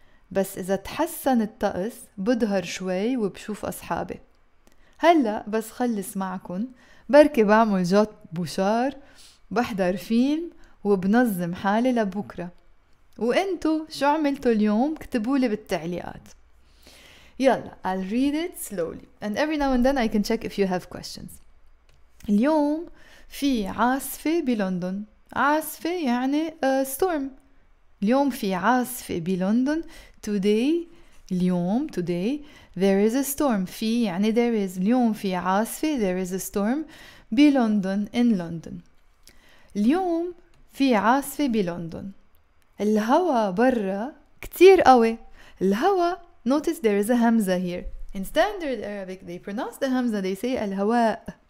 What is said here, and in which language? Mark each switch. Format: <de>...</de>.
<ar>بس إذا تحسن الطقس بظهر شوي وبشوف أصحابي. هلأ بس خلص معكن بركي بعمل جوت بوشار، بحضر فيلم وبنظم حالي لبكرة. وانتو شو عملتو اليوم؟ كتبولي بالتعليقات.</ar> <en>يلا I'll read it slowly and every now and then I can check if you have questions.</en> <ar>اليوم في عاصفة بلندن. عاصفة يعني storm. اليوم في عاصفة بلندن. Today اليوم</ar> <en>today there is a storm</en> <ar>في يعني there is اليوم في عاصفة there is a storm بلندن</ar> <en>in London</en> <ar>اليوم في عاصفة بلندن الهواء برا كتير قوي الهواء</ar> <en>notice there is a</en> <ar>همزة</ar> <en>here in standard Arabic they pronounce the</en> <ar>همزة</ar> <en>they say</en> <ar>الهواء</ar>